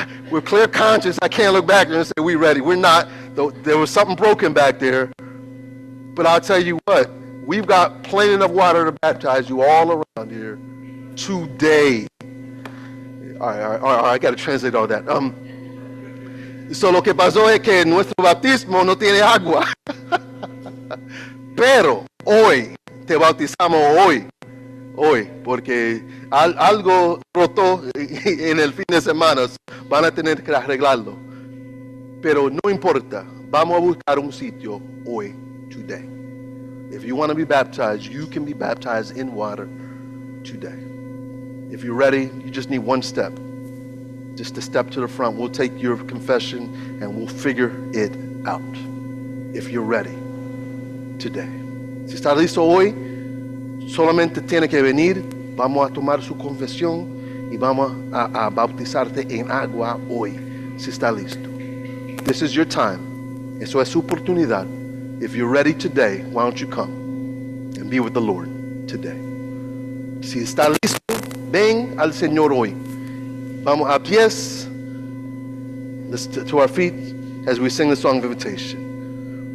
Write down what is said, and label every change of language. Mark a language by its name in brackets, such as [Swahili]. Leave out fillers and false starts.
[English] We're clear conscience. I can't look back and say we're ready. We're not. There was something broken back there, but I'll tell you what, we've got plenty enough water to baptize you all around here today. All right, I gotta translate all that. [Spanish] So lo que pasó es que nuestro bautismo no tiene agua, pero hoy te bautizamos hoy porque algo roto en el fin de semana, van a tener que arreglarlo, pero no importa, vamos a buscar un sitio hoy, today. [English] If you want to be baptized, you can be baptized in water today. If you're ready, you just need one step, just a step to the front. We'll take your confession and we'll figure it out. If you're ready today, [Spanish] si está listo hoy, solamente tiene que venir. Vamos a tomar su confesión y vamos a bautizarte en agua hoy, si está listo. [English] This is your time. [Spanish] Eso es su oportunidad. [English] If you're ready today, why don't you come and be with the Lord today? [Spanish] Si está listo, ven al Señor hoy. Vamos a pies, [English] to our feet, [Spanish] as we sing the song of invitation.